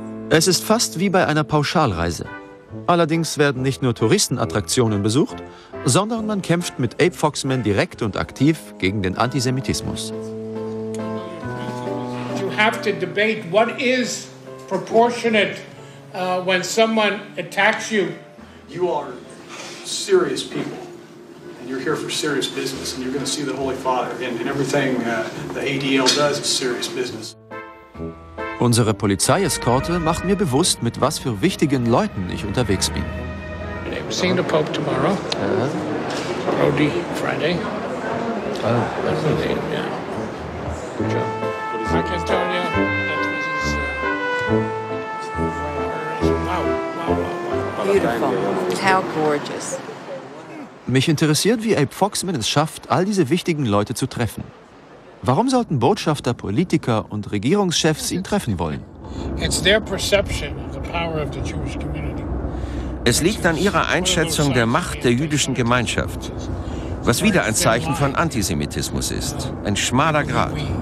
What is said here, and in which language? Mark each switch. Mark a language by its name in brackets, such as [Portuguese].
[German] Es ist fast wie bei einer Pauschalreise. Allerdings werden nicht nur Touristenattraktionen besucht, sondern man kämpft mit Abe Foxman direkt und aktiv gegen den Antisemitismus. [English] You have to debate what is proportionate when someone attacks you. You are serious people and you're here for serious business and you're going to see the Holy Father and everything the ADL does is serious business. [German] Unsere Polizeieskorte macht mir bewusst, mit was für wichtigen Leuten ich unterwegs bin. [English] We're seeing the Pope tomorrow. Brody Friday. Good job. I can tell you that this is wow. Beautiful. How gorgeous. [German] Mich interessiert, wie Abe Foxman es schafft, all diese wichtigen Leute zu treffen. Warum sollten Botschafter, Politiker und Regierungschefs ihn treffen wollen? Es liegt an ihrer Einschätzung der Macht der jüdischen Gemeinschaft, was wieder ein Zeichen von Antisemitismus ist, ein schmaler Grat.